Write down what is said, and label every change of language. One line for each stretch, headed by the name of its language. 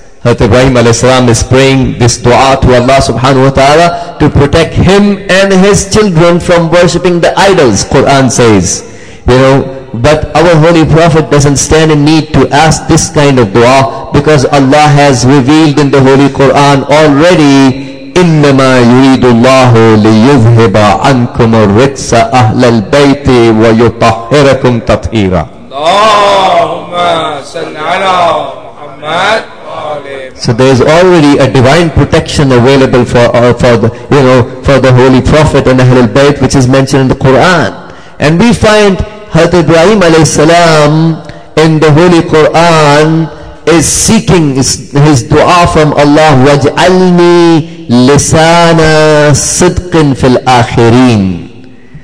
English: Hazrat Ibrahim alayhi salam is praying this dua to Allah subhanahu wa ta'ala to protect him and his children from worshipping the idols, Quran says. You know, but our Holy Prophet doesn't stand in need to ask this kind of dua, because Allah has revealed in the Holy Quran already,
Arabic: إنما يريد الله ليذهب عنكم الرجس أهل البيت ويطهركم تطهيرا. اللهم صل على محمد.
English: So there is already a divine protection available for the Holy Prophet and Ahlul Bayt, which is mentioned in the Quran. And we find Hazrat Ibrahim alayhi salam in the Holy Quran is seeking his dua from Allah,
Arabic: waj'alni lisana sidqin fil akhirin.